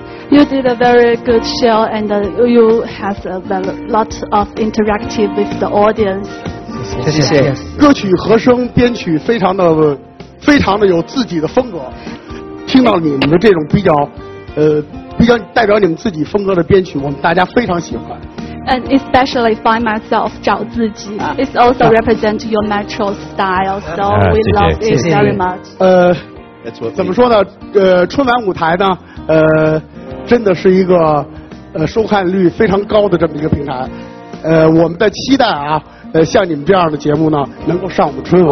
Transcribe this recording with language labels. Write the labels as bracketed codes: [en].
[en] You did a very good show, and you have a lot of interactive with the audience. [zh] 谢谢。歌曲和声编曲非常的有自己的风格。听到你们的这种比较代表你们自己风格的编曲，我们大家非常喜欢。 [en] And especially find myself [zh] 找自己 [en] It's also represent your Metro style, so we love it very much. [zh] 怎么说呢？春晚舞台呢？真的是一个，收看率非常高的这么一个平台，我们在期待啊，像你们这样的节目呢能够上我们春晚。